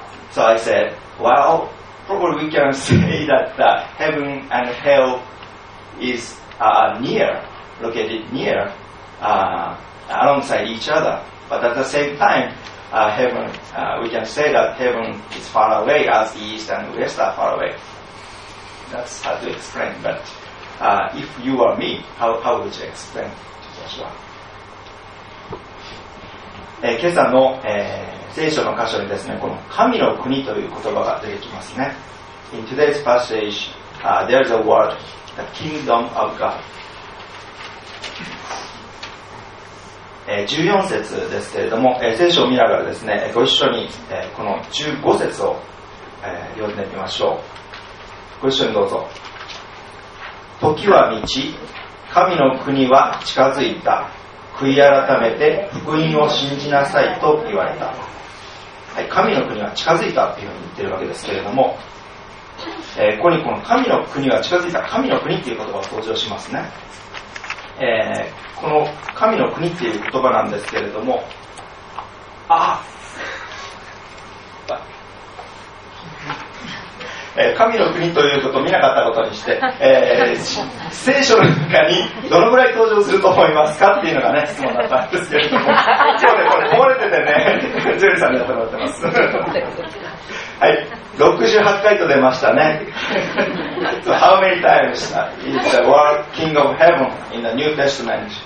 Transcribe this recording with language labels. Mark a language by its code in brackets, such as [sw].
[en] So I said, well, probably we can say that heaven and hell is near, located near, alongside each other. But at the same time,heaven, we can say that heaven is far away as east and west are far away. That's hard to explain, but if you were me, how would you explain to Joshua? [ja] 今朝の、聖書の箇所にですね、この神の国という言葉が出てきますね。 [en] In today's passage, there is a word, the kingdom of God. [ja] 14節ですけれども、聖書を見ながらですね、ご一緒に、この15節を、読んでみましょう。ご一緒にどうぞ。時は満ち、神の国は近づいた、悔い改めて福音を信じなさいと言われた、はい、神の国は近づいたというふうに言っているわけですけれども、ここにこの神の国は近づいた、神の国という言葉が登場しますね。この神の国っていう言葉なんですけれども、神の国ということを見なかったことにして、聖書の中にどのぐらい登場すると思いますかっていうのがね、質問だったんですけれども、今日ねこれ壊れててね、ジュエルさんにやってもらってます。はい、68回と出ましたね。 [en] So how many times is the word King of Heaven in the New Testament?